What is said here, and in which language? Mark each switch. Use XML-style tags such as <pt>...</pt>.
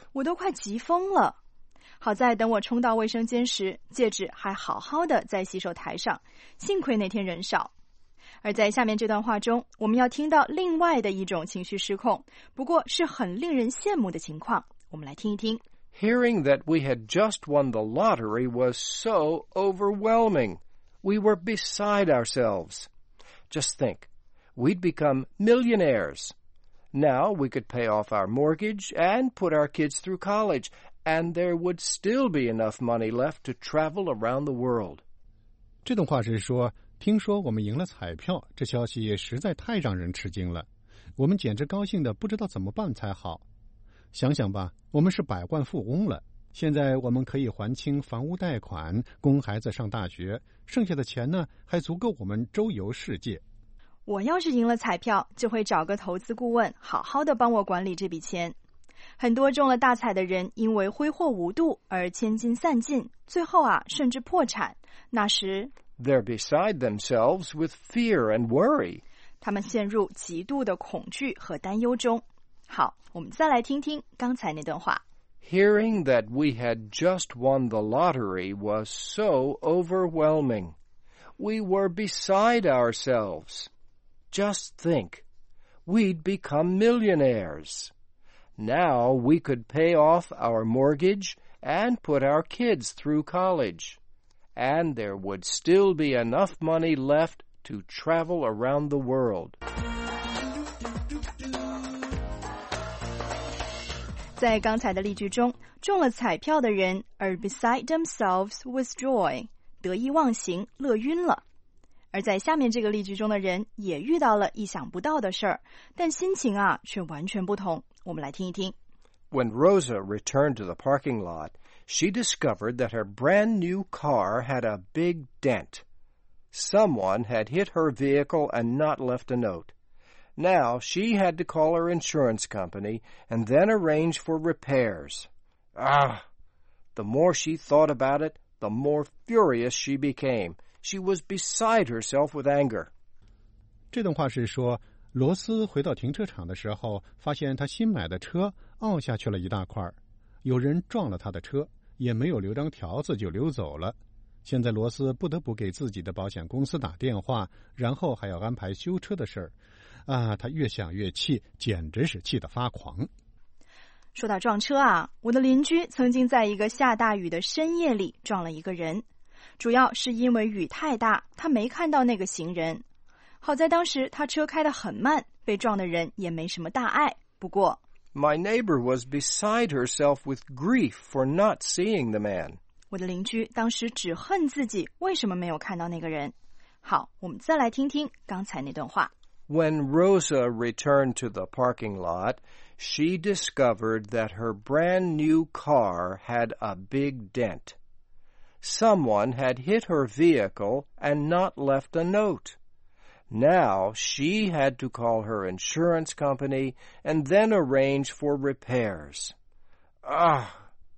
<zh>我都快急疯了。好在等我冲到卫生间时戒指还好好的在洗手台上。幸亏那天人少。而在下面这段话中，我们要听到另外的一种情绪失控，不过是很令人羡慕的情况。我们来听一听。</zh> <en>Hearing that we had just won the lottery was so overwhelming. We were beside ourselves. Just think, we'd become millionaires. Now we could pay off our mortgage and put our kids through college, and there would still be enough money left to travel around the world.</en> <zh>这段话是说听说我们赢了彩票，这消息实在太让人吃惊了，我们简直高兴得不知道怎么办才好。想想吧，我们是百万富翁了，现在我们可以还清房屋贷款，供孩子上大学，剩下的钱呢，还足够我们周游世界。我要是赢了彩票，就会找个投资顾问，好好的帮我管理这笔钱。很多中了大彩的人因为挥霍无度而千金散尽，最后啊，甚至破产，那时</zh> <en>They're beside themselves with fear and worry.</en> <zh>他们陷入极度的恐惧和担忧中。好，我们再来听听刚才那段话。</zh> <en>Hearing that we had just won the lottery was so overwhelming. we were beside ourselves. Just think, we'd become millionaires. Now we could pay off our mortgage and put our kids through college. And there would still be enough money left to travel around the world.</en> <zh>在刚才的例句中，中了彩票的人</zh> <en>are beside themselves with joy,</en> <zh>得意忘形，乐晕了。而在下面这个例句中的人也遇到了意想不到的事儿，但心情啊却完全不同。我们来听一听。</zh> <en>When Rosa returned to the parking lot, she discovered that her brand new car had a big dent. Someone had hit her vehicle and not left a note. Now she had to call her insurance company and then arrange for repairs. Ah! The more she thought about it, the more furious she became. She was beside herself with anger.</en> <zh>这段话是说，罗斯回到停车场的时候，发现他新买的车凹下去了一大块，有人撞了他的车，也没有留张条子就溜走了。现在罗斯不得不给自己的保险公司打电话，然后还要安排修车的事儿。啊，他越想越气，简直是气得发狂。说到撞车啊，我的邻居曾经在一个下大雨的深夜里撞了一个人，主要是因为雨太大，他没看到那个行人。好在当时他车开得很慢，被撞的人也没什么大碍。不过</zh> <en>My neighbor was beside herself with grief for not seeing the man.</en> <zh>我的邻居当时只恨自己为什么没有看到那个人。好，我们再来听听刚才那段话。</zh> <en>When Rosa returned to the parking lot, she discovered that her brand new car had a big dent. Someone had hit her vehicle and not left a note. Now she had to call her insurance company and then arrange for repairs. Ah!</en>